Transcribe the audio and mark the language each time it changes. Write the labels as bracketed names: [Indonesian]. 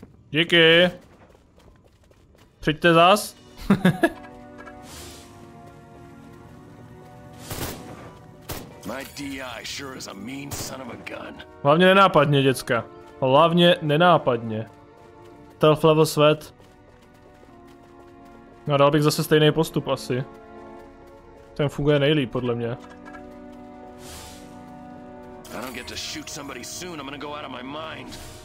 [Czech] Díky. Přijďte zas. [English] My DI sure is a mean son of a gun. [Czech] Hlavně nenápadně, děcka. Hlavně nenápadně. [English] Stealth level sweat. [Czech] No, dal bych zase stejný postup asi. Ten funguje nejlíp podle mě. [English] I don't get to shoot somebody soon. I'm gonna go out of my mind.